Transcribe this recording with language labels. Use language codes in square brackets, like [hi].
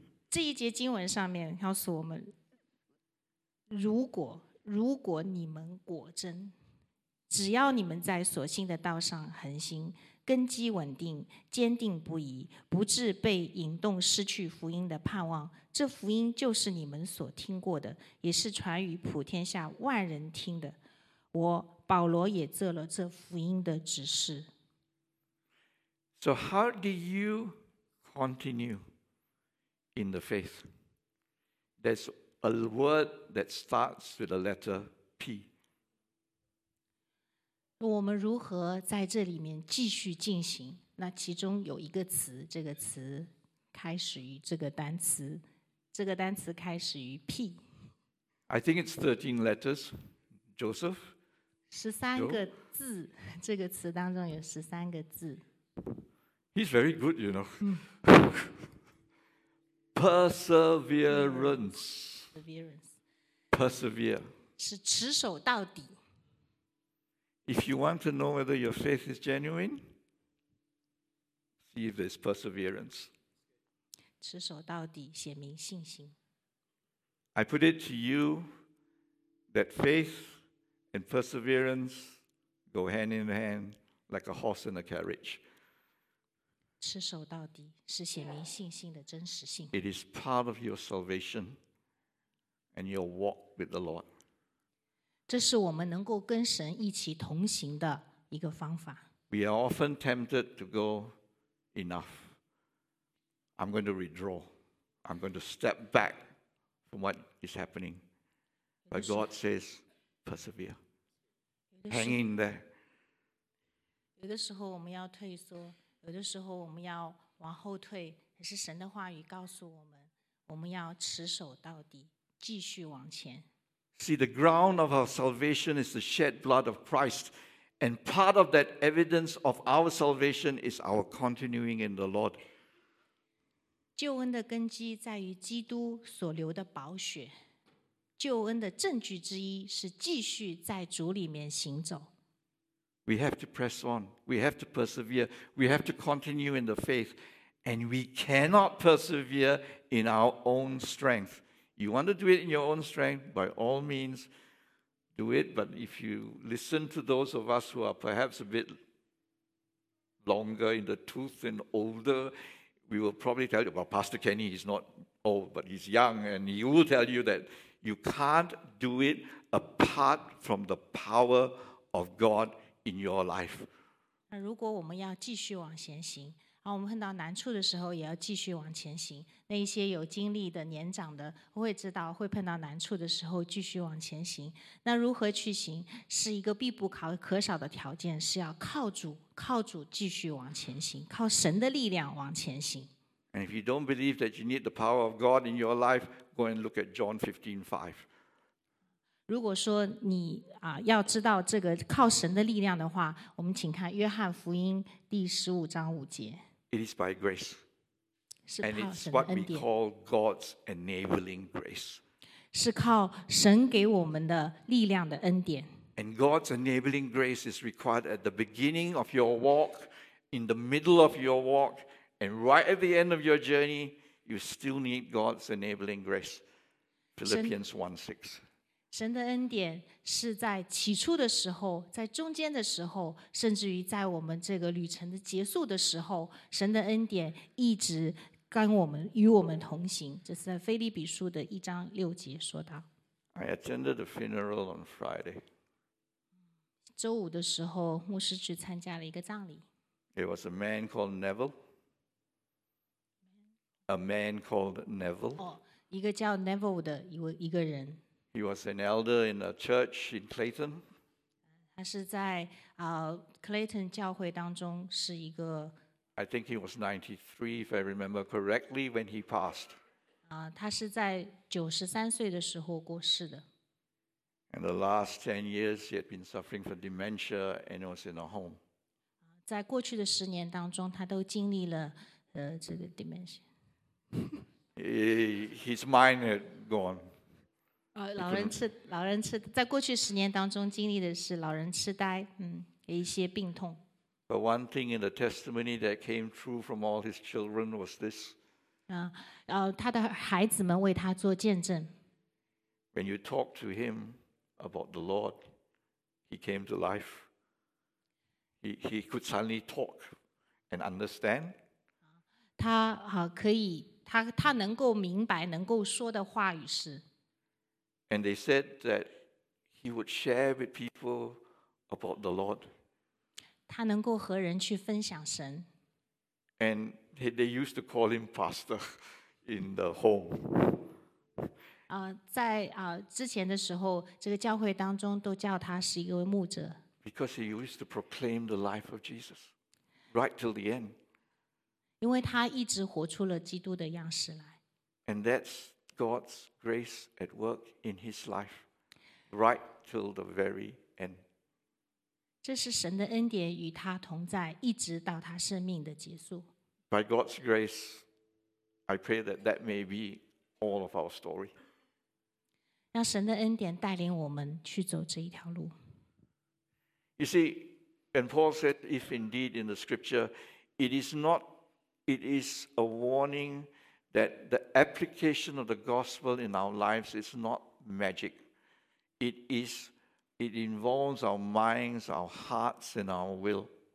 [zh] 这一节经文上面告诉我们，如果你们果真，只要你们在所信的道上恒心，根基稳定，坚定不移，不致被引动失去福音的盼望，这福音就是你们所听过的，也是传于普天下万人听的。我保罗也做了这福音的指示。 [en] So how do you continue in the faith? There's a word that starts with the letter P. [zh] 我们如何在这里面继续进行？那其中有一个词，这个词开始于这个单词，这个单词开始于 P。 [en] I think it's 13 letters, Joseph. [zh] 十三个字，这个词当中有十三个字。 [en] He's very good, you know. Perseverance. Persevere. [zh] 是持守到底。 [en] If you want to know whether your faith is genuine, see if there's perseverance. [zh] 持守到底，显明信心。 [en] I put it to you that faith and perseverance go hand in hand like a horse and a carriage. [zh] 持守到底，是显明信心的真实性。 [en] It is part of your salvation and your walk with the Lord. [zh] 这是我们能够跟神一起同行的一个方法。 [en] We are often tempted to go enough. I'm going to withdraw. I'm going to step back from what is happening. But God says, persevere. Hang in there. [zh] 有的时候我们要退缩，有的时候我们要往后退，可是神的话语告诉我们，我们要持守到底，继续往前。 [en] See, the ground of our salvation is the shed blood of Christ. And part of that evidence of our salvation is our continuing in the Lord. [zh] 救恩的根基在于基督所流的宝血。救恩的证据之一是继续在主里面行走。 [en] We have to press on. We have to persevere. We have to continue in the faith. And we cannot persevere in our own strength. You want to do it in your own strength, by all means, do it. But if you listen to those of us who are perhaps a bit longer in the tooth and older, we will probably tell you, well, Pastor Kenny is not old, but he's young, and he will tell you that you can't do it apart from the power of God in your life. [zh] 如果我们要继续往前行，啊、我们碰到难处的时候也要继续往前行，那一些有经历的年长的会知道，会碰到难处的时候继续往前行，那如何去行是一个必不可少的条件，是要靠主，靠主继续往前行，靠神的力量往前行。 [en] And if you don't believe that you need the power of God in your life, go and look at John 15:5. [zh] 如果说你、要知道这个靠神的力量的话，我们请看约翰福音第十五章五节。 [en] It is by grace. And it's what we call God's enabling grace. [zh] 是靠神给我们的力量的恩典。 [en] And God's enabling grace is required at the beginning of your walk, in the middle of your walk, and right at the end of your journey, you still need God's enabling grace. Philippians 1:6. [zh] 神的恩典是在起初的时候，在中间的时候，甚至于在我们这个旅程的结束的时候，神的恩典一直跟我们与我们同行。这是在腓立比书的一章六节说到。 [en] I attended a funeral on Friday. [zh] 周五的时候，牧师去参加了一个葬礼。 [en] It was a man called Neville. A man called Neville. [zh] 一个叫 Neville 的一个人。 [en] He was an elder in a church in Clayton. [zh] 他是在 Clayton 教会当中是一个。 [en] I think he was 93, if I remember correctly, when he passed. [zh] 他是在93岁的时候过世的。 [en] And the last 10 years, he had been suffering from dementia and was in a home. [zh] 在过去的十年当中，他都经历了这个 dementia. [en] His mind had gone. [zh] 老人痴，在过去十年当中经历的是老人痴呆，一些病痛。 [en] But one thing in the testimony that came true from all his children was this. [zh] 他的孩子们为他做见证。 [en] When you talk to him about the Lord, he came to life. He could suddenly talk and understand. [zh] 他能够明白，能够说的话语是。 [en] And they said that he would share with people about the Lord. [zh] 他能够和人去分享神。 [en] And they used to call him pastor in the home. [zh] 在之前的时候，这个教会当中都叫他是一位牧者。 [en] Because he used to proclaim the life of Jesus right till the end. [zh] 因为他一直活出了基督的样式来。 [en] And that's God's grace at work in his life right till the very end. [zh] 这是神的恩典与他同在，一直到他生命的结束。 [en] By God's grace, I pray that that may be all of our story. [zh] 让神的恩典带领我们去走这一条路。 [en] You see, and Paul said, if indeed in the scripture, it is a warning that the application of the gospel in our lives is not magic. It involves our minds, our hearts, and our will.